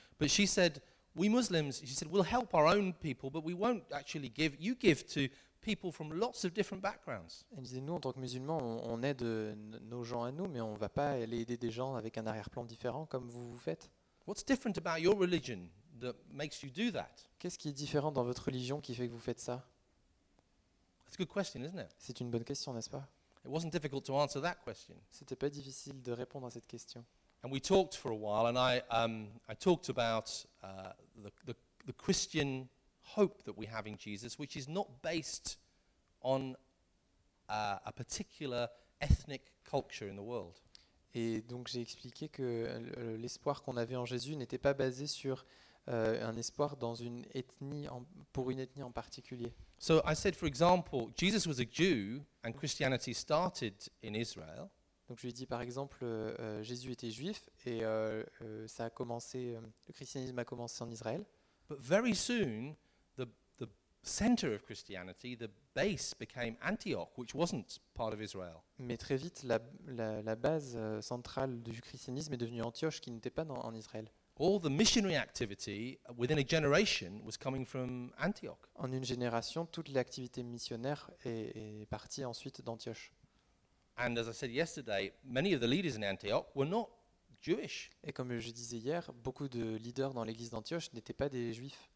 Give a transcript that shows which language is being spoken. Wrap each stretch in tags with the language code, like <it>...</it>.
<en>But she said, we Muslims, she said, we'll help our own people, but we won't actually give. You give to people from lots of different backgrounds.</en> <fr>Elle disait, nous, en tant que musulmans, on aide nos gens à nous, mais on ne va pas aller aider des gens avec un arrière-plan différent comme vous faites.</fr> <en>What's different about your religion that makes you do that?</en> <fr>Qu'est-ce qui est différent dans votre religion qui fait que vous faites ça?</fr> <en>That's a good question, isn't it?</en> <fr>C'est une bonne question, n'est-ce pas?</fr> <en>It wasn't difficult to answer that question.</en> <fr>C'était pas difficile de répondre à cette question.</fr> <en>And we talked for a while, and I talked about the Christian hope that we have in Jesus, which is not based on a particular ethnic culture in the world.</en> <fr>Et donc j'ai expliqué que l'espoir qu'on avait en Jésus n'était pas basé sur un espoir dans une ethnie pour une ethnie en particulier.</fr> <en>So I said, for example, Jesus was a Jew, and Christianity started in Israel.</en> <fr>Donc je lui ai dit, par exemple, Jésus était juif et ça a commencé, le christianisme a commencé en Israël.</fr> <en>But very soon, the center of Christianity, the base, became Antioch, which wasn't part of Israel.</en> <fr>Mais très vite, la base centrale du christianisme est devenue Antioche, qui n'était pas en Israël.</fr> <en>All the missionary activity within a generation was coming from Antioch.</en> <fr>En une génération, toute l'activité missionnaire est partie ensuite d'Antioche.</fr> <en>And as I said yesterday, many of the leaders in Antioch were not Jewish.</en> <fr>Et comme je disais hier, beaucoup de leaders dans l'église d'Antioche n'étaient pas des juifs.</fr>